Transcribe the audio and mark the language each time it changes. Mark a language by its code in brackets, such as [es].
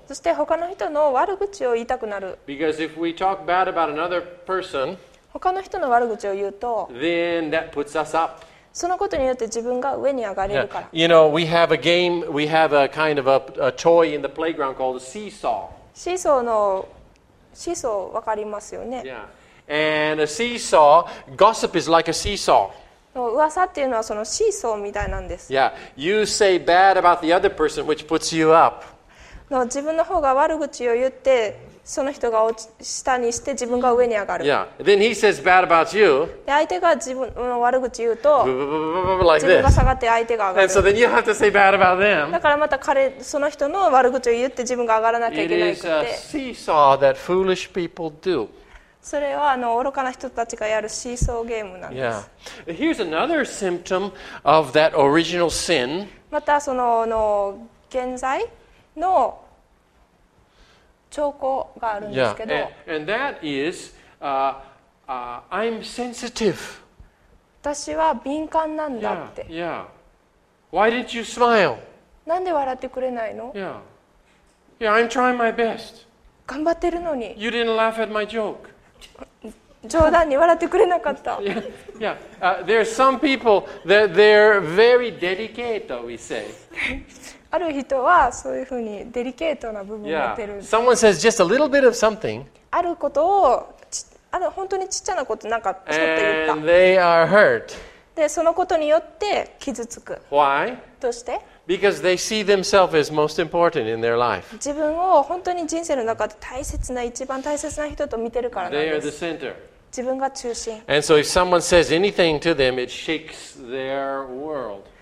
[ja] そして他の人の悪口を言いたくなる。 [en] Because if we talk bad about another person, [ja] 他の人の悪口を言うと、 [en] then that puts us up. [ja] そのことによって自分が上に上がれるから。 [en] Yeah. You know, we have a game, we have a kind of a toy in the playground called a seesaw. [ja] シーソー、わかりますよね。 [en] Yeah. And a seesaw, gossip is like a seesaw. [ja] 噂っていうのはそのシーソーみたいなんです。 [en] Yeah, you say bad about the other person, which puts you up. [ja] 自分の方が悪口を言って、その人が下にして自分が上に上がる。 [en] Yeah, then he says bad about you. [ja] で相手が自分の悪口言うと、ブブブブブブブ like this. 自分が下がって相手が上がる。 [en] And so then you have to say bad about them. [ja] だからまた彼その人の悪口を言って自分が上がらなきゃいけないって。 [en] It is a seesaw that foolish people do. [ja] それは愚かな人たちがやるシーソーゲームなんです。 [en] Yeah. Here's another symptom of that original sin. [ja] またその現在の兆候があるんですけど、 [en] yeah. and that is, I'm sensitive. [ja] 私は敏感なんだって。 [en] Yeah. Yeah. Why didn't you smile? [ja] なんで笑ってくれないの？ [en] Yeah. Yeah, I'm trying my best. [ja] 頑張ってるのに。 [en] You didn't laugh at my joke. [ja] 冗談に笑ってくれなかった。 [en] Yeah. Yeah. There are some people that they're very dedicated, we say. [ja] ある人はそういうふうにデリケートな部分を持ってる。 [en] Someone says just a little bit of something. [ja] あることを、ある本当にちっちゃなことなんかちょっと言った。 [en] And they are hurt. [ja] で、そのことによって傷つく。 [en] Why? [ja] どうして？ [en] Because they see themselves as most important in their life. [ja] 自分を本当に人生の中で大切な一番大切な人と見てるからなんです。 [en] They are the center. [ja] 自分が中心。 [en] And so if someone says anything to them, it shakes their world.